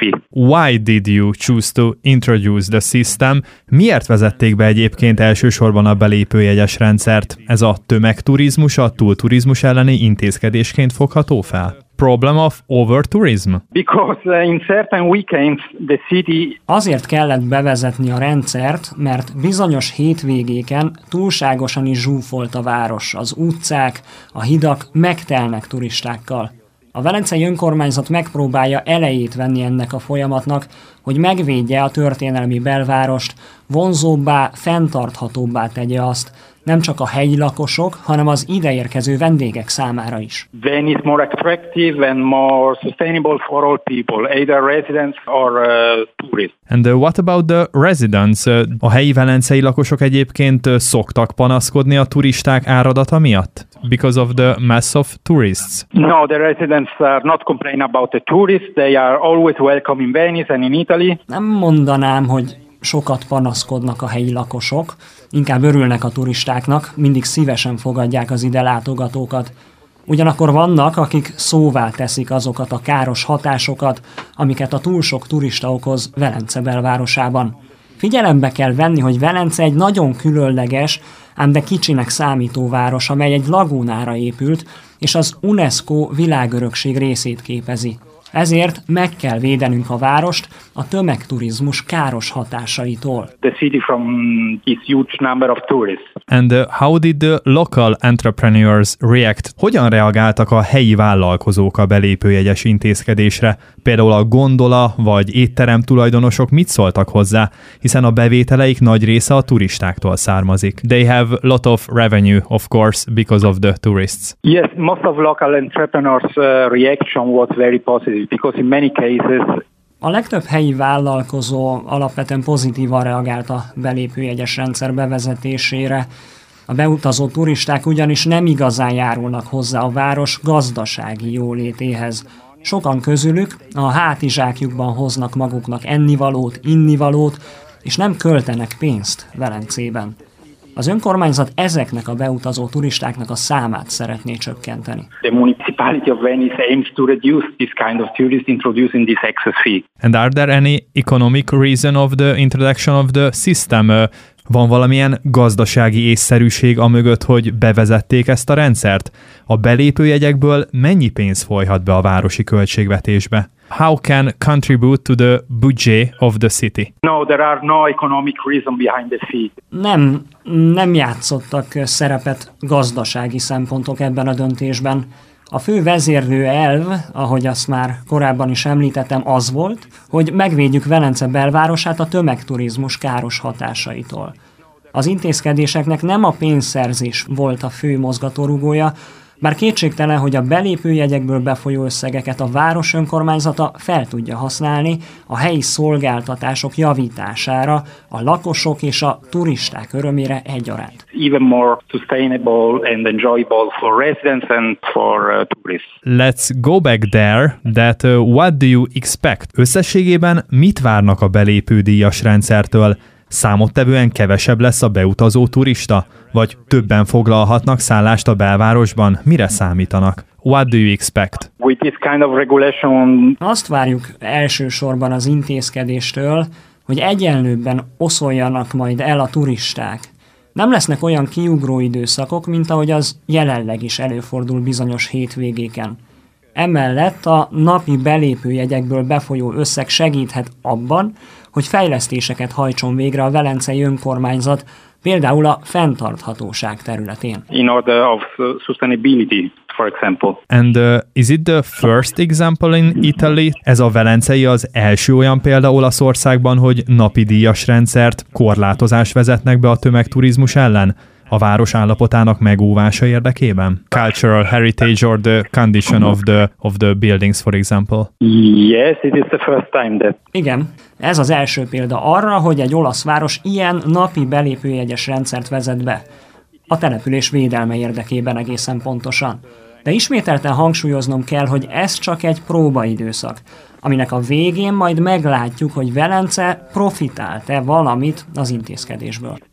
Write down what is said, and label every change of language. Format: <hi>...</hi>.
<en>Why did you choose to introduce the system?</en> <hu>Miért vezették be egyébként elsősorban a belépőjegyes rendszert? Ez a tömegturizmus, a túlturizmus elleni intézkedésként fogható fel?</hu> <en>Problem of overtourism. Because in certain weekends the city.</en> <hu>Azért kellett bevezetni a rendszert, mert bizonyos hétvégéken túlságosan is zsúfolt a város, az utcák, a hidak megtelnek turistákkal. A velencei önkormányzat megpróbálja elejét venni ennek a folyamatnak, hogy megvédje a történelmi belvárost, vonzóbbá, fenntarthatóbbá tegye azt, nem csak a helyi lakosok, hanem az ideérkező vendégek számára is.</hu> <en>Venice is more attractive and more sustainable for all people, either residents or tourists. And what about the residents?</en> <hu>A helyi velencei lakosok egyébként szoktak panaszkodni a turisták áradata miatt?</hu> <en>Because of the mass of tourists? No, the residents are not complaining about the tourists. They are always welcome in Venice and in Italy.</en> <hu>Nem mondanám, hogy sokat panaszkodnak a helyi lakosok, inkább örülnek a turistáknak, mindig szívesen fogadják az ide látogatókat. Ugyanakkor vannak, akik szóvá teszik azokat a káros hatásokat, amiket a túl sok turista okoz Velence belvárosában. Figyelembe kell venni, hogy Velence egy nagyon különleges, ám de kicsinek számító város, amely egy lagúnára épült, és az UNESCO világörökség részét képezi. Ezért meg kell védenünk a várost a tömegturizmus káros hatásaitól.</hu> <en>The city from its huge number of tourists. And how did the local entrepreneurs react?</en> <hu>Hogyan reagáltak a helyi vállalkozók a belépőjegyes intézkedésre? Például a gondola vagy étterem tulajdonosok mit szóltak hozzá, hiszen a bevételeik nagy része a turistáktól származik.</hu> <en>They have lot of revenue, of course, because of the tourists. Yes, most of local entrepreneurs' reaction was very positive, because in many cases...</en> <hu>A legtöbb helyi vállalkozó alapvetően pozitívan reagált a belépőjegyes rendszer bevezetésére. A beutazó turisták ugyanis nem igazán járulnak hozzá a város gazdasági jólétéhez. Sokan közülük a hátizsákjukban hoznak maguknak ennivalót, innivalót, és nem költenek pénzt Velencében. Az önkormányzat ezeknek a beutazó turistáknak a számát szeretné csökkenteni.</hu> <en>The municipality of Venice aims to reduce this kind of tourist introducing this excess fee. And are there any economic reason of the introduction of the system?</en> <hu>Van valamilyen gazdasági észszerűség amögött, hogy bevezették ezt a rendszert? A belépőjegyekből mennyi pénz folyhat be a városi költségvetésbe?</hu> <en>How can contribute to the budget of the city? No, there are no economic reason behind the fee.</en> <hu>Nem játszottak szerepet gazdasági szempontok ebben a döntésben. A fő vezérlő elv, ahogy azt már korábban is említettem, az volt, hogy megvédjük Velence belvárosát a tömegturizmus káros hatásaitól. Az intézkedéseknek nem a pénzszerzés volt a fő mozgatórugója, bár kétségtelen, hogy a belépőjegyekből befolyó összegeket a város önkormányzata fel tudja használni a helyi szolgáltatások javítására, a lakosok és a turisták örömére egyaránt.</hu> <en>Even more sustainable and enjoyable for residents and for tourists. Let's go back there, that what do you expect?</en> <hu>Összességében mit várnak a belépődíjas rendszertől? Számottevően kevesebb lesz a beutazó turista? Vagy többen foglalhatnak szállást a belvárosban? Mire számítanak?</hu> <en>What do you expect? With this kind of regulation...</en> <hu>Azt várjuk elsősorban az intézkedéstől, hogy egyenlőbben oszoljanak majd el a turisták. Nem lesznek olyan kiugró időszakok, mint ahogy az jelenleg is előfordul bizonyos hétvégéken. Emellett a napi belépőjegyekből befolyó összeg segíthet abban, hogy fejlesztéseket hajtson végre a velencei önkormányzat, például a fenntarthatóság területén.</hu> <en>In order of sustainability, for example. And is it the first example in Italy?</en> <hu>Ez a velencei az első olyan példa Olaszországban, hogy napi díjas rendszert, korlátozást vezetnek be a tömegturizmus ellen? A város állapotának megóvása érdekében?</hu> <en>Cultural heritage or the condition of the buildings, for example. Yes, it is the first time that...</en> <hu>Igen, ez az első példa arra, hogy egy olasz város ilyen napi belépőjegyes rendszert vezet be. A település védelme érdekében egészen pontosan. De ismételten hangsúlyoznom kell, hogy ez csak egy próbaidőszak, aminek a végén majd meglátjuk, hogy Velence profitált-e valamit az intézkedésből.</hu>